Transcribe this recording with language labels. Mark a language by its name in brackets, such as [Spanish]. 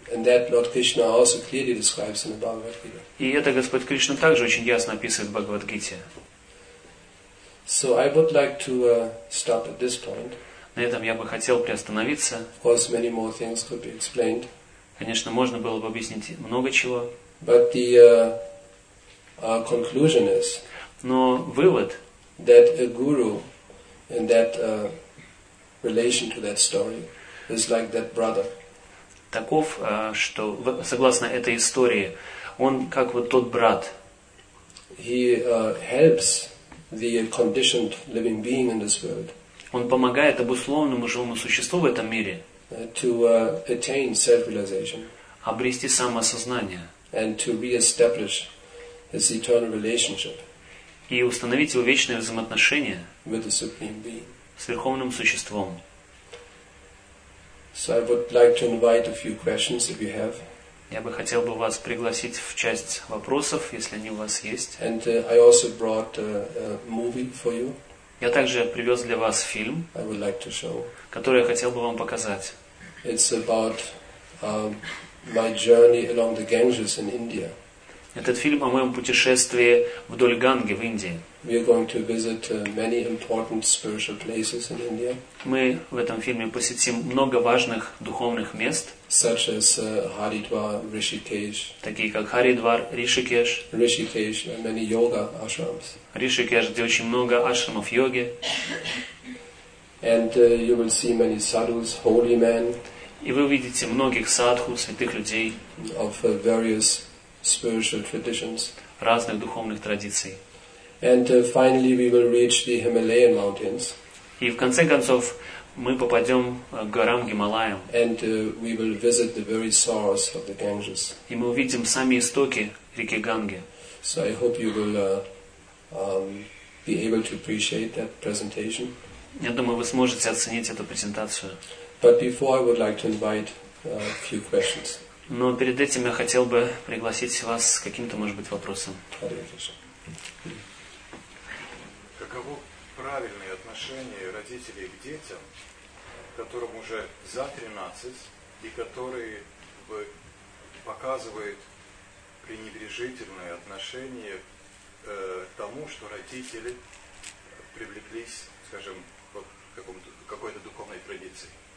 [Russian] И это Господь Кришна также очень ясно описывает в Бхагавад-гите. [English] So I would like to stop at this point. [Russian] На этом я бы хотел приостановиться. [English] Of course, many more things could be explained. [Russian] Конечно, можно было бы объяснить много чего. [English] But the conclusion is. [Russian] Но вывод. [English] That a guru in that relation to that story is like that brother. [Russian] Таков, что согласно этой истории, он как вот тот брат. [English] He helps. The conditioned living being in this world. [Russian] Он помогает обусловленному живому существу в этом мире. [English] To attain self-realization. [Russian] Обрести самосознание. [English] And to re-establish his eternal relationship. [Russian] И установить его вечное взаимоотношение. [English] With the supreme being. [Russian] С верховным существом. [English] So I would like to invite a few questions if you have. [Russian] Я бы хотел бы вас пригласить в часть вопросов, если они у вас есть. [English] And I also brought a movie for you. [Russian] Я также привез для вас фильм, [English] I would like to show. [Russian] Который я хотел бы вам показать. [English] It's about my journey along the Ganges in India. [Russian] Этот фильм о моем путешествии вдоль Ганги в Индии. [English] We are going to visit many important spiritual places in India. [Russian] Мы в этом фильме посетим много важных духовных мест, [English] such as Haridwar, Rishikesh. [Russian] Такие как Харидвар, Ришикеш. [English] Rishikesh, many yoga ashrams. [Russian] Ришикеш, где очень много ашрамов йоги. [English] And you will see many sadhus, holy men. [Russian] И вы увидите многих садху, святых людей. [English] Of various spiritual traditions. [Russian] Разных духовных традиций. [English] And finally, we will reach the Himalayan mountains. [Russian] И в конце концов мы попадем к горам Гималаям. [English] And we will visit the very source of the Ganges. [Russian] И мы увидим сами истоки реки Ганги. [English] So I hope you will be able to appreciate that presentation. [Russian] Я думаю, вы сможете оценить эту презентацию. [English] But before, I would like to invite a few questions. [Russian] Но перед этим я хотел бы пригласить вас с каким-то, может быть, вопросом. Каково правильное отношение родителей к детям, которым уже за 13, и которые показывают пренебрежительное отношение к тому, что родители привлеклись, скажем, к какой-то духовной традиции?